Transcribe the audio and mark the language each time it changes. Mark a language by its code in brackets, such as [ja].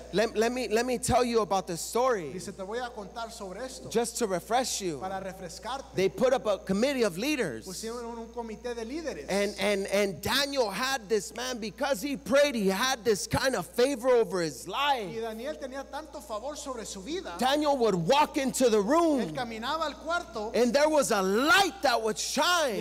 [es] hacer. [en] Let me tell you about the story. [es] Dice, te voy a contar sobre esto. [en] Just to refresh you. [es] Para refrescarte. [en] They put up a committee of leaders. [es] Pusieron un comité de líderes. [en] And Daniel had this man, because he prayed, he had this kind of favor over his life. [es] Y Daniel tenía tanto favor sobre su vida. [en] Daniel would walk into the room. [es] Él caminaba al cuarto. [en] And there was a light that would shine.